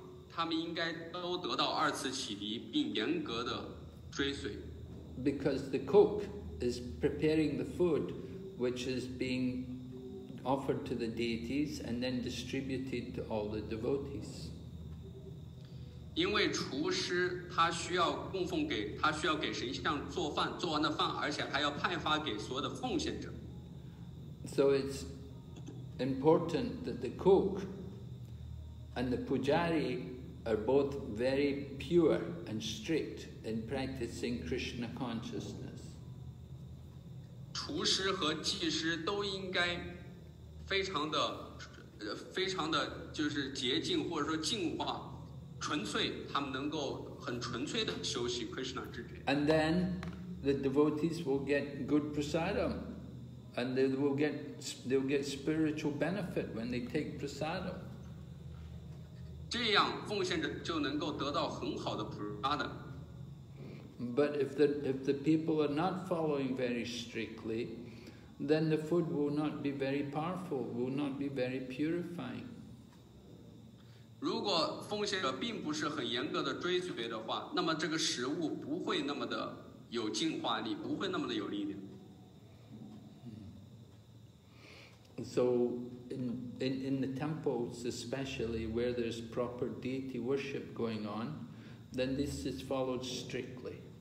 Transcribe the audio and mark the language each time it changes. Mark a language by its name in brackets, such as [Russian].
[Chinese] 他们应该都得到二次启迪，并严格的追随。 [English] Because the cook is preparing the food which is being offered to the deities and then distributed to all the devotees. [Chinese] 因为厨师他需要供奉给他需要给神像做饭做完的饭而且还要派发给所有的奉献者。 [English] So it's important that the cook and the pujari are both very pure and strict in practicing Krishna consciousness. [Chinese] 厨师和技师都应该非常的非常的就是洁净或者说净化纯粹，他们能够很纯粹的修习 Krishna 之觉。 [English] And then the devotees will get good prasadam and they will get spiritual benefit when they take prasadam。 [Chinese] 这样奉献者就能够得到很好的 prasadam。 [English] But if the people are not following very strictly, then the food will not be very powerful, will not be very purifying. [Chinese] 如果奉献者并不是很严格的追随的话，那么这个食物不会那么的有净化力，不会那么的有力量。 [English] So in the temples especially where there's proper deity worship going on, then this is followed strictly.